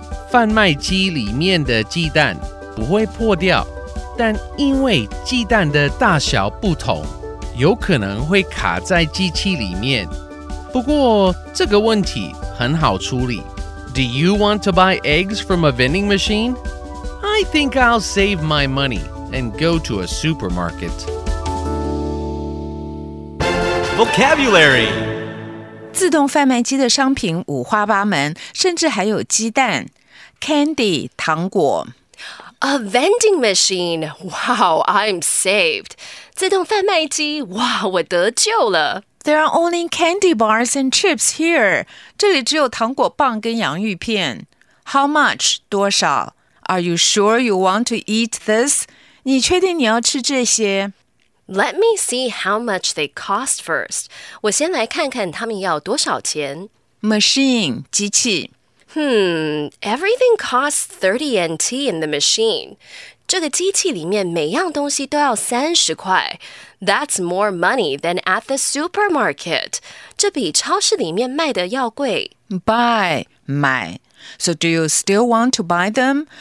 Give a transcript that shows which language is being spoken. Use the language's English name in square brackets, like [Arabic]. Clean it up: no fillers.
[Chinese] 贩卖机里面的鸡蛋不会破掉，但因为鸡蛋的大小不同，有可能会卡在机器里面。不过这个问题很好处理。 [English] Do you want to buy eggs from a vending machine? I think I'll save my money and go to a supermarket. Vocabulary. [Chinese] 自动贩卖机的商品五花八门，甚至还有鸡蛋、candy、糖果。 [English] A vending machine. Wow, I'm saved. [Chinese] 自动贩卖机，哇，我得救了。 [English] There are only candy bars and chips here. [Chinese] 这里只有糖果棒跟洋芋片。 [English] How much? [Chinese] 多少? [English] Are you sure you want to eat this? [Chinese] 你确定你要吃这些? [English] Let me see how much they cost first. [Chinese] 我先来看看他们要多少钱。 [English] Machine, [Chinese] 机器。 [English] Everything costs 30 NT in the machine. [Chinese] 这个机器里面每样东西都要30块。 [English] That's more money than at the supermarket. [Chinese] 这比超市里面卖的要贵。 [English] Buy, [Chinese] 买。 [English] So do you still want to buy them?